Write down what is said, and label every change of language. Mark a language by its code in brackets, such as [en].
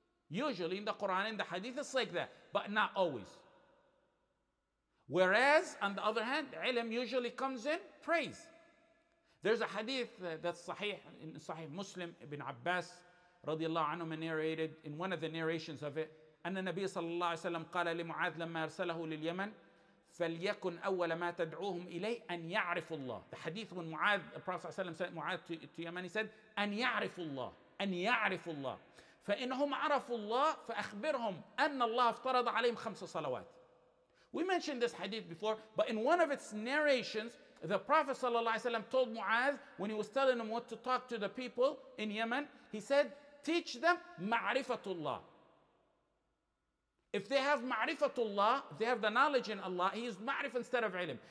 [en] Usually in the Quran, in the hadith, it's like that, but not always. Whereas, on the other hand, ilm usually comes in praise. There's a hadith that's sahih, in Sahih Muslim, Ibn Abbas, radiallahu anhu, narrated in one of the narrations of it, [ar] أن النبي صلى الله عليه وسلم قال لمعاذ لما أرسله لليمن فَلْيَكُنْ أَوَّلَ مَا تَدْعُوهُمْ إِلَيْهِ أَنْ يَعْرِفُ اللَّهِ. [en] The hadith when Mu'adh, the Prophet ﷺ said, Mu'adh to Yemen, he said, [ar] أَنْ يَعْرِفُ اللَّهِ أَنْ يَعْرِفُ اللَّهِ فَإِنْهُمْ عَرَفُوا اللَّهِ فَأَخْبِرْهُمْ أَنَّ اللَّهَ افْتَرَضَ عَلَيْهِمْ خَمْسَ صَلَوَاتِ. [en] We mentioned this hadith before, but in one of its narrations, the Prophet ﷺ told Mu'adh, when he was telling him what to talk to the people in Yemen, he said, teach them ma'rifatullah. If they have ma'rifatullah, they have the knowledge in Allah, he is ma'rif instead of ilm.